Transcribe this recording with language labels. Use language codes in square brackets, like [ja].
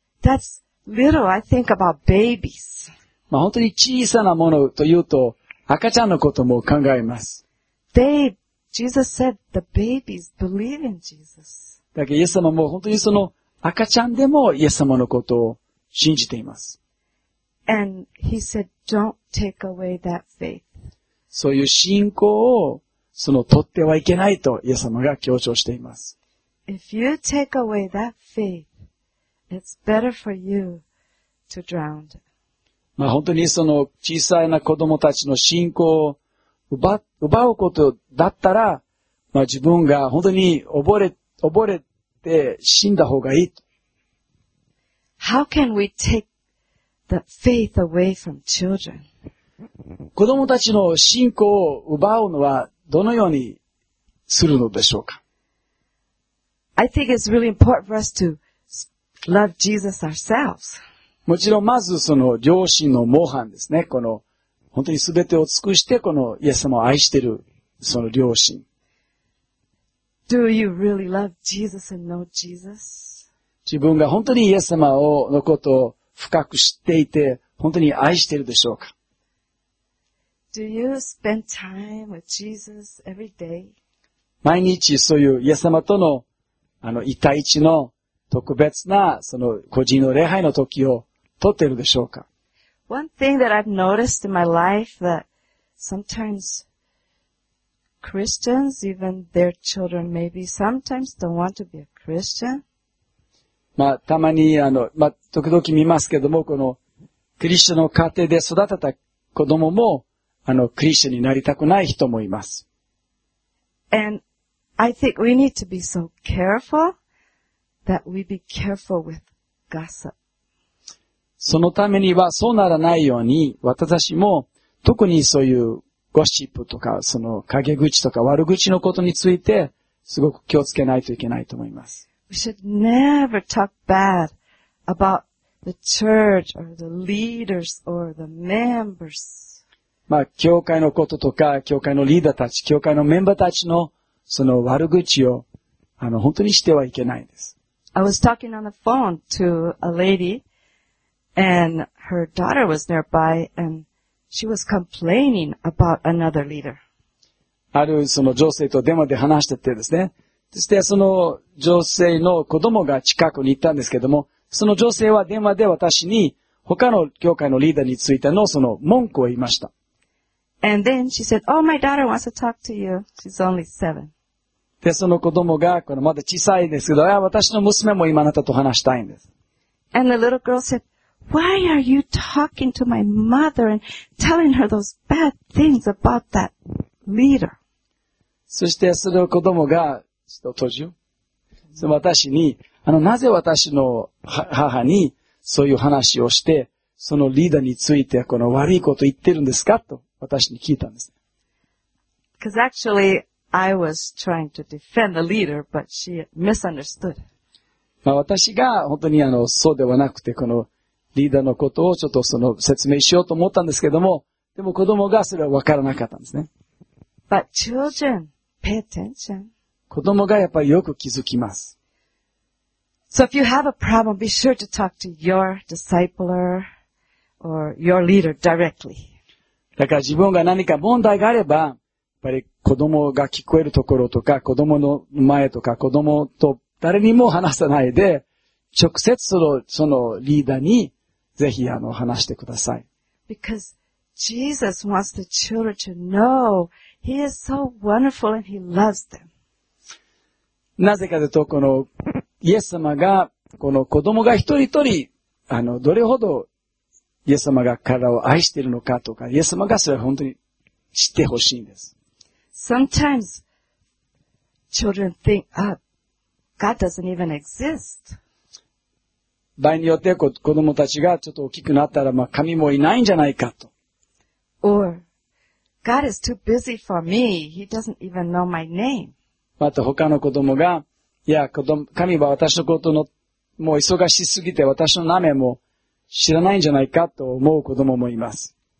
[en] That's little, I think about babies. [ja] まあ、本当に小さなものというと、赤ちゃんのことも考えます。 [en] Jesus said the babies believe in Jesus. [ja] だけど、イエス様も本当にその赤ちゃんでもイエス様のことを信じています。 [en] And he said, don't take away that faith. [ja] そういう信仰を、取ってはいけないとイエス様が強調しています。 [en] If you take away that faith, it's better for you to drown. [ja] まあ、本当にその小さな子供たちの信仰を奪うことだったら、まあ、自分が本当に溺れて死んだ方がいい。 [en] How can we take the faith away from children? [ja] 子供たちの信仰を奪うのはどのようにするのでしょうか? [en] I think it's really important for us to love Jesus ourselves. [ja] もちろん、まずその、両親の模範ですね。この、本当に全てを尽くして、この、イエス様を愛している、その両親。 [en] Do you really love Jesus and know Jesus? [ja] 自分が本当にイエス様を、のことを深く知っていて、本当に愛しているでしょうか? [en] Do you spend time with Jesus every day? [ja] 毎日、そういうイエス様との、一対一の、特別な、個人の礼拝の時を、撮っているでしょうか? [en] One thing that I've noticed in my life that sometimes Christians, even their children maybe sometimes don't want to be a Christian. [ja] まあ、たまに時々見ますけども、このクリスチャンの家庭で育てた子供も、クリスチャンになりたくない人もいます。 [en] And I think we need to be so careful that we be careful with gossip. [ja] そのためには、そうならないように、私も、特にそういう、ゴシップとか、陰口とか悪口のことについて、すごく気をつけないといけないと思います。 [en] We should never talk bad about the church or the leaders or the members. [ja] まあ、教会のこととか、教会のリーダーたち、教会のメンバーたちの、悪口を、本当にしてはいけないです。 [en] I was talking on the phone to a lady. And her daughter was nearby, and she was complaining about another leader. [ja] ある女性と電話で話しててですね。そして女性の子供が近くに行ったんですけども、その女性は電話で私に他の教会のリーダーについての文句を言いました。 [en] And then she said, oh, my daughter wants to talk to you. She's only seven. [ja] で、その子供が、まだ小さいですけど、私の娘も今あなたと話したいんです。 [en] And the little girl said, Why are you talking to my mother and telling her those bad things about that leader? [ja] そしてその子供が、ちょっと閉じよう。その私に、なぜ私の母にそういう話をして、そのリーダーについてこの悪いことを言ってるんですかと私に聞いたんです。 [en] Because actually, I was trying to defend the leader, but she misunderstood. [ja] まあ私が本当にそうではなくて、このリーダーのことをちょっとその説明しようと思ったんですけども、でも子供がそれは分からなかったんですね。 [en] But children, pay attention. [ja] 子供がやっぱりよく気づきます。 [en] So if you have a problem, be sure to talk to your discipler or your leader directly. [ja] だから自分が何か問題があれば、やっぱり子供が聞こえるところとか、子供の前とか、子供と誰にも話さないで、直接そのリーダーにぜひ話してください。 [en] Because Jesus wants the children to know He is so wonderful and He loves them. [ja] なぜかというと、このイエス様が、この子供が一人一人、どれほどイエス様が彼らを愛しているのかとか、イエス様がそれを本当に知ってほしいんです。 [en] Sometimes, children think, ah, God doesn't even exist. [ja] 場合によって子供たちがちょっと大きくなったら、まあ、神もいないんじゃないかと。 [en] Or, God is too busy for me. He doesn't even know my name. [ja] また他の子供が、いや、神は私のことの、もう忙しすぎて私の名前も知らないんじゃないかと思う子供もいます。